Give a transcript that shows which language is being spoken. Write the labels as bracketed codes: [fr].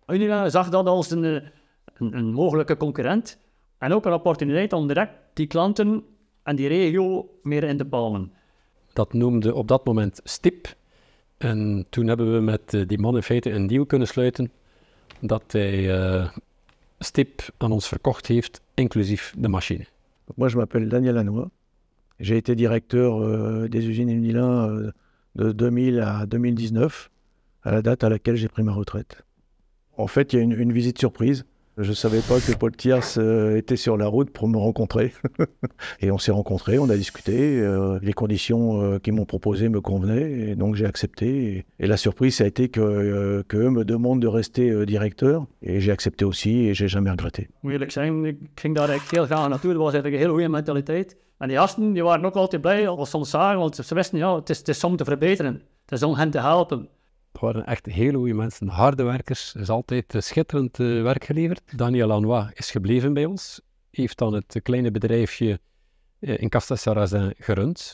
[nl] Unila zag dat als een mogelijke concurrent en ook een opportuniteit om direct die klanten en die regio meer in te palmen. Dat noemde op dat moment STIP. En toen hebben we met die man in feite een deal kunnen sluiten dat hij STIP aan ons verkocht heeft, inclusief de machine. [fr] Moi, je m'appelle Daniel Lanois. J'ai été directeur des usines Unilin de 2000 à 2019, à la date à laquelle j'ai pris ma retraite. En fait, il y a une visite surprise. Je ne savais pas que Paul Thiers était sur la route pour me rencontrer. Et on s'est rencontrés, on a discuté. Les conditions qu'ils m'ont proposées me convenaient, et donc j'ai accepté. Et la surprise, ça a été qu'eux me demandent de rester directeur. Et j'ai accepté aussi, et je n'ai jamais regretté. Oui, [nl] je ging daar echt heel graag naartoe. Dat was eigenlijk een hele goede mentaliteit. En die gasten die waren ook altijd blij als ze ons zagen, want ze wisten, ja, het is om te verbeteren. Het is om hen te helpen. Het waren echt hele goede mensen, harde werkers. Er is altijd schitterend werk geleverd. Daniel Lanois is gebleven bij ons. Heeft dan het kleine bedrijfje in Castel-Sarrazin gerund.